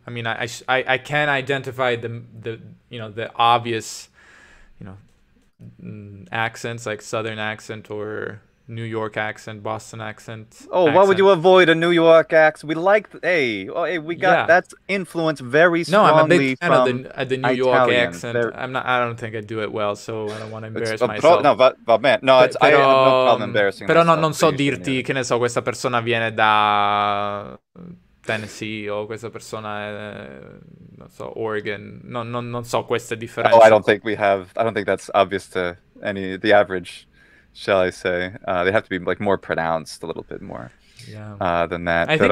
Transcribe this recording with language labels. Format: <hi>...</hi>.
<en>I mean, I can identify the obvious, accents like Southern accent or New York accent, Boston accent. Why would you avoid a New York accent? That's influence very strongly. No, I'm a big fan of the New York Italian accent. I don't think I do it well, so I don't want to embarrass myself. I have no problem embarrassing</en> <it>Però non so dirti che ne so, questa persona viene da Tennessee o questa persona non so, Oregon. Non so queste differenze.</it> <en>I don't think that's obvious to the average. Shall I say? They have to be like more pronounced a little bit more than that.</en>